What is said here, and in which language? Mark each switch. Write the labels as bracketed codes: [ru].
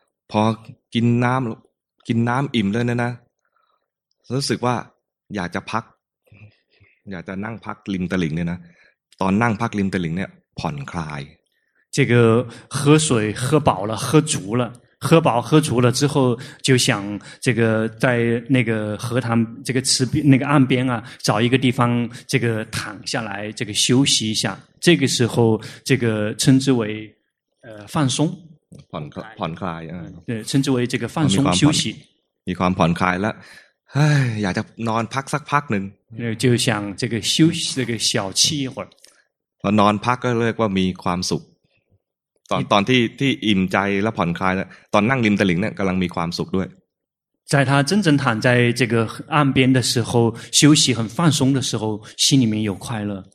[th] พอกินน้ำอิ่มเลยนะรู้สึกว่าอยากจะพักอยากจะนั่งพักริมตลิ่งเนี่ยนะตอนนั่งพักริมตะลิงเนี่ยผ่อนคลาย [zh] 这个喝水喝饱了喝足了喝饱喝足了之后就想这个在那个河塘这个池边那个岸边啊找一个地方这个躺下来这个休息一下这个时候这个称之为放松 [th] ผ่อนคลาย [zh] 对称之为这个放松休息 [th] มีความผ่อนคลายแล้วอยากจะนอนพักสักพักหนึ่ง [zh] 就想这个休息这个小憩一会儿 [th] พอนอนพักก็เรียกว่ามีความสุขตอนที่อิ่มใจและผ่อนคลายแล้วตอนนั่งริมตลิ่งเนี่ยกำลังมีความสุขด้วย [zh] 在他真正躺在这个岸边的时候休息很放松的时候心里面有快乐